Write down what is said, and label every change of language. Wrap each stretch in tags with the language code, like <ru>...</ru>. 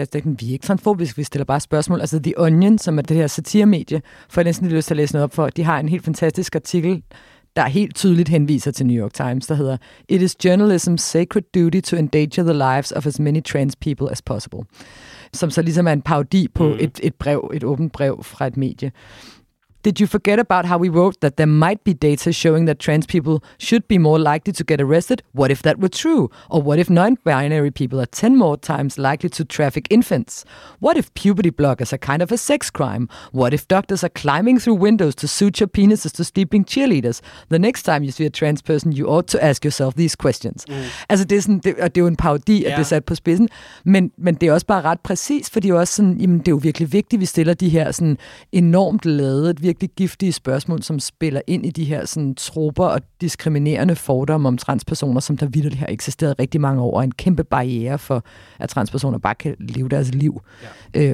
<da>Det er ikke, vi er ikke transfobiske, vi stiller bare spørgsmål. Altså The Onion, som er det her satiremedie, for jeg næsten lyst til at læse noget op for, de har en helt fantastisk artikel, der helt tydeligt henviser til New York Times, der hedder</da> <en>"It is journalism's sacred duty to endanger the lives of as many trans people as possible."</en> <da>Som så ligesom er en parodi på et brev, et åbent brev fra et medie.</da> <en>"Did you forget about how we wrote that there might be data showing that trans people should be more likely to get arrested? What if that were true? Or what if non-binary people are 10 more times likely to traffic infants? What if puberty blockers are kind of a sex crime? What if doctors are climbing through windows to suture penises to sleeping cheerleaders? The next time you see a trans person, you ought to ask yourself these questions." Mm.</en> <da>Altså, det er jo en parodi, at det er sat på spidsen, men det er også bare ret præcis, for det er også sådan, jamen, det er jo virkelig vigtigt, vi stiller de her sådan enormt ladet, virkelig giftige spørgsmål, som spiller ind i de her sådan tropper og diskriminerende fordomme om transpersoner, som der vitterligt har eksisteret rigtig mange år, og en kæmpe barriere for, at transpersoner bare kan leve deres liv. Ja.</da>